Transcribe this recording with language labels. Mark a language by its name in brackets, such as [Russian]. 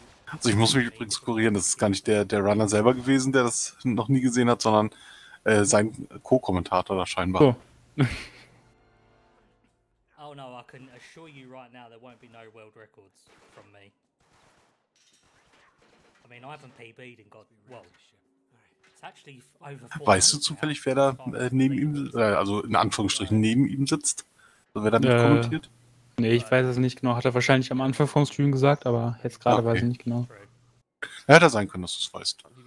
[German] Also ich muss mich übrigens kurieren, das ist gar nicht der Runner selber gewesen, der das noch nie gesehen hat, sondern sein Co-Kommentator da scheinbar. Oh. [English] Oh no, I can assure you right now there won't be no world records from me. I mean, I haven't PB'd and got well. It's actually over. [German] Weißt du zufällig, wer da neben ihm, also in Anführungsstrichen neben ihm sitzt? Also wer da mit kommentiert? Nee, ich weiß es nicht genau. Hat er wahrscheinlich am Anfang vom Stream gesagt, aber jetzt gerade weiß ich nicht genau. Er hätte sein können, dass du es weißt.